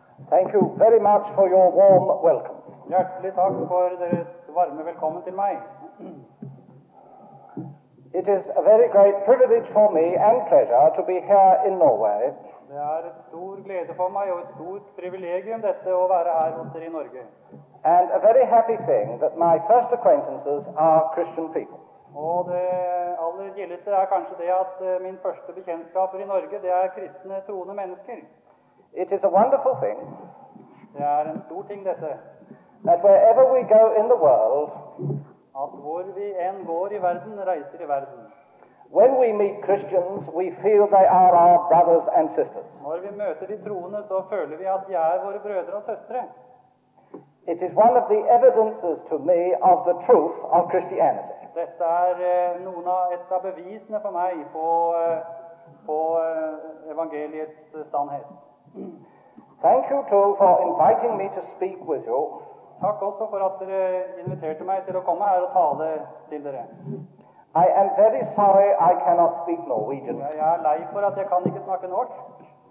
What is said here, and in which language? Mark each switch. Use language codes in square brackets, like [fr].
[en] Thank you very much for your warm welcome. [no] Hjertelig takk for deres varme velkommen til meg. [en] It is a very great privilege for me and pleasure to be here in Norway. [no] Det er en stor glede for meg og et stort privilegium dette å være her hos dere i Norge. [en] And a very happy thing that my first acquaintances are Christian people. [no] Og det aller gildeste er kanskje det at min første bekjentskaper i Norge, det er kristne troende mennesker. [en] It is a wonderful thing. [no] Det er en stor ting dette. [en] That wherever we go in the world, [no] at hvor vi enn går i verden, reiser i verden. [en] When we meet Christians, we feel they are our brothers and sisters. [no] Når vi møter de troende, så føler vi at de er våre brødre og søstre. [en] It is one of the evidences to me of the truth of Christianity. [no] Dette er noen av et av bevisene for meg på evangeliets sannhet. [en] Thank you too for inviting me to speak with you. [no] Takk også for at dere inviterte meg til å komme her og tale til dere. [en] I am very sorry I cannot speak Norwegian. [no] Jeg er lei for at jeg kan ikke snakke norsk.